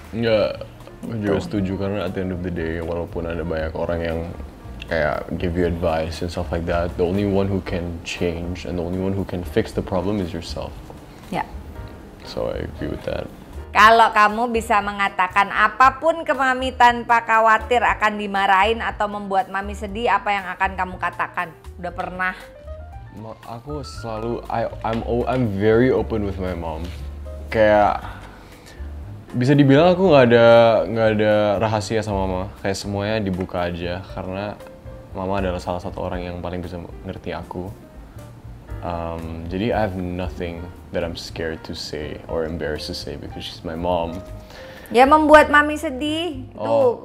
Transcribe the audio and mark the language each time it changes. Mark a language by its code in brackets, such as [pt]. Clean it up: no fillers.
[id] Nggak, juga setuju, karena [en] at the end of the day [id] walaupun ada banyak orang yang kayak [en] give you advice and stuff like that, the only one who can change and the only one who can fix the problem is yourself. Yeah. So I agree with that. [id] Kalau kamu bisa mengatakan apapun ke mami tanpa khawatir akan dimarahin atau membuat mami sedih, apa yang akan kamu katakan? Udah pernah? Aku selalu [en] I'm very open with my mom. [id] Kayak bisa dibilang aku nggak ada rahasia sama mama, kayak semuanya dibuka aja, karena mama adalah salah satu orang yang paling bisa ngerti aku. Jadi [en] I have nothing that I'm scared to say or embarrassed to say because she's my mom. [id] Ya membuat mami sedih tuh.